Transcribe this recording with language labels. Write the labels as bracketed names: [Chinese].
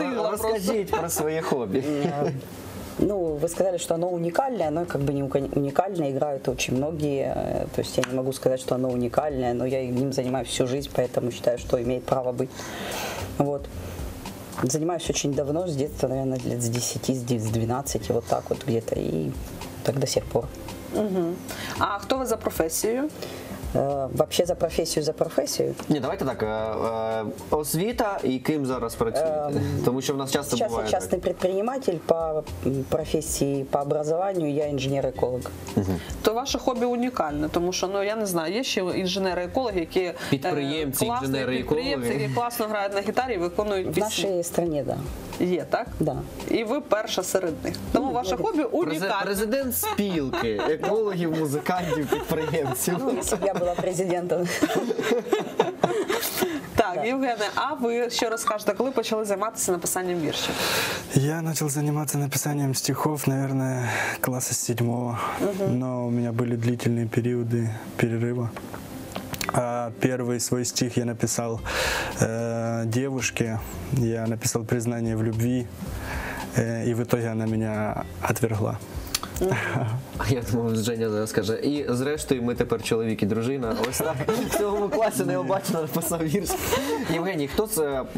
[Ukrainian] Розкажіть про своє хобі. [Russian] Ну, вы сказали, что оно уникальное, оно как бы не уникальное, играют очень многие, то есть я не могу сказать, что оно уникальное, но я им занимаюсь всю жизнь, поэтому считаю, что имеет право быть. Вот. Занимаюсь очень давно, с детства, наверное, лет с 10, с 12, вот так вот где-то, и так до сих пор. Угу. А кто вы за профессию? Вообще за профессию, за профессию? [Ukrainian] Не, давайте так, освіта и [Russian] кем [Ukrainian] зараз працюєте? [Russian] Потому что у нас часто сейчас бывает. Сейчас я частный предприниматель по профессии, по образованию, я инженер-эколог. [Ukrainian] То ваше хобби уникальне, тому що, ну, я не знаю, є ще інженери-екологи, які підприємці, інженери-екологи, які класно грають на гітарі, виконують пісні. В нашій країні, да. Є, так? Да. І ви перша серед них. Тому ваше хобі унікальне. Президент спілки екологів, музикантів, підприємців. Ну, якщо б я була президентом. Так, да. Євгене, а ви що розкажете, коли почали займатися написанням віршів? Я почав займатися написанням [Russian] стихов, наверное, [Ukrainian] класу з 7-го. [Russian] Но у меня были длительные периоды перерыва. А первый свой стих я написал девушке. Я написал признание в любви. И в итоге она меня отвергла. [Ukrainian] Я думаю, Женя зараз скаже. І зрештою, ми тепер чоловік і дружина. Ось так. В цьому класі необачно написав вірш. Євгеній, хто це?